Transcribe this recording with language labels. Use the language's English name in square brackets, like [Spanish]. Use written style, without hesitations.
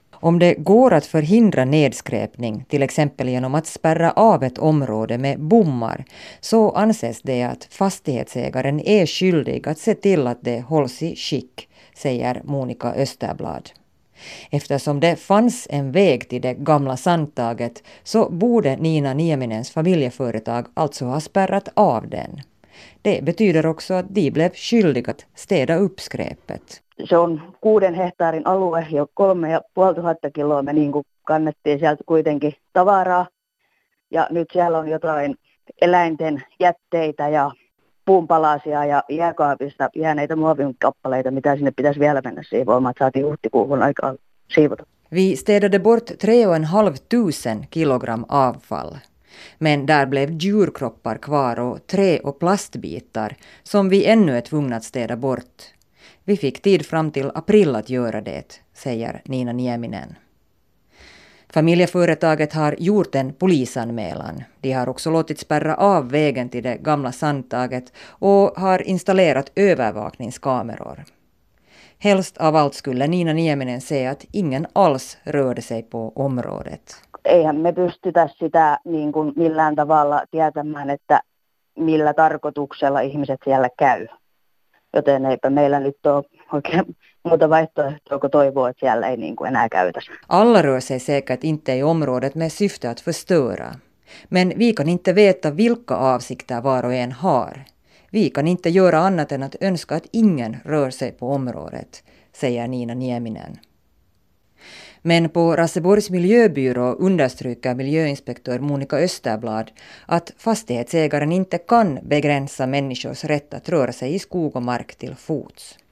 [Swedish] Om det går att förhindra nedskräpning, till exempel genom att spärra av ett område med bommar, så anses det att fastighetsägaren är skyldig att se till att det hålls i skick, säger Monica Österblad. Eftersom det fanns en väg till det gamla sandtaget så borde Nina Nieminens familjeföretag alltså ha spärrat av den. Det betyder också att de blev skyldiga att städa upp skräpet. [Finnish] Se on 6 hehtaarin alue ja 3500 kiloa me niin kuin kannettiin sieltä kuitenkin tavaraa. Ja nyt siellä on jotain eläinten jätteitä ja puunpalasia ja jääkaapista jääneitä muovinkappaleita, mitä sinne pitäisi vielä mennä siivoamaan. Saatiin huhtikuuhun aikaan siivota. [Swedish] Vi städade bort 3500 kilogram avfall. Men där blev djurkroppar kvar och trä och plastbitar som vi ännu är tvungna att städa bort. Vi fick tid fram till april att göra det, säger Nina Nieminen. Familjeföretaget har gjort en polisanmälan. De har också låtit spärra av vägen till det gamla sandtaget och har installerat övervakningskameror. Helst av allt skulle Nina Nieminen säga att ingen alls rörde sig på området. [Finnish] Eihän me pystytä sitä niin kuin millään tavalla tietämään, että millä tarkoituksella ihmiset siellä käy. Joten eipä meillä nyt ole oikein muuta vaihtoehtoa, kun toivoo, että siellä ei niin kuin enää käytäisi. [Swedish] Alla rör sig säkert inte i området med syfte att förstöra. Men vi kan inte veta vilka avsikter var och en har. Vi kan inte göra annat än att önska att ingen rör sig på området, säger Nina Nieminen. Men på Raseborgs miljöbyrå understryker miljöinspektör Monica Österblad att fastighetsägaren inte kan begränsa människors rätt att röra sig i skog och mark till fots.